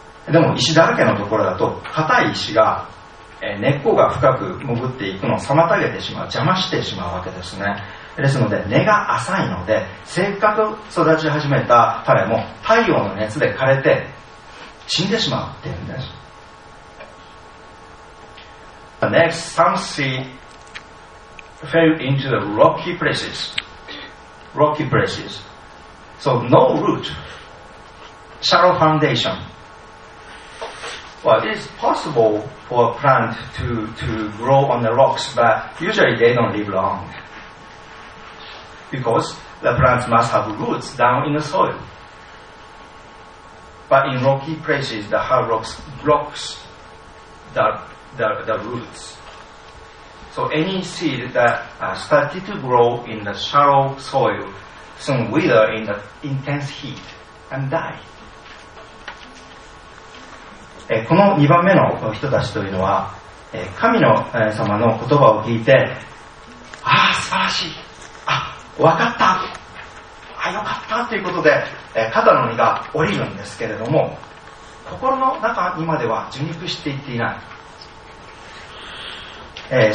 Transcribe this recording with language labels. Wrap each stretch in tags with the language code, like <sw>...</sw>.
<ja>でも石だらけのところだと硬い石が根っこが深く潜っていくのを妨げてしまう、邪魔してしまうわけですね。ですので根が浅いので、せっかく育ち始めた種も太陽の熱で枯れて死んでしまうっていうんです。</ja> <en>The next, some seed fell into the rocky places. Rocky places. So no root, shallow foundation. Well, it is possible for a plant to grow on the rocks, but usually they don't live long. Because the plants must have roots down in the soil. But in rocky places, the hard rocks blocks the roots. So any seed that started to grow in the shallow soil soon wither in the intense heat and die.</en> <ja>この2番目の人たちというのは、神の様の言葉を聞いて、ああ、素晴らしい。わかった、あ、よかったということで、肩の荷が下りるんですけれども、心の中にまでは受肉していっていない。</ja>